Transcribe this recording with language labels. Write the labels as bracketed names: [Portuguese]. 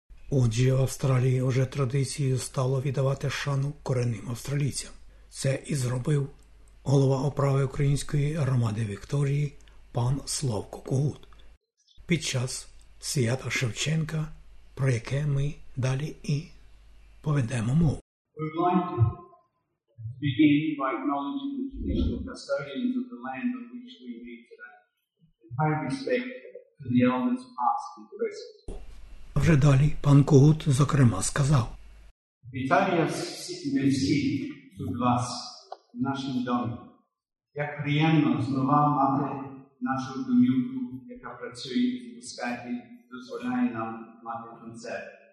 [Ukrainian] Отже, в Австралії вже традицією стало віддавати шану корінним австралійцям. Це і зробив голова управи української громади Вікторії пан Славко Когут під час свята Шевченка, про яке ми далі і поведемо мову. [English] We would like to begin by acknowledging the traditional custodians of the land on which we meet today, and pay respect to the elders past and present. [Ukrainian] А вже далі пан Когут, зокрема, сказав: Вітаю всіх вас в нашому домі. Як приємно знову мати нашу домівку, яка працює у Скайпі, дозволяє нам мати концерт.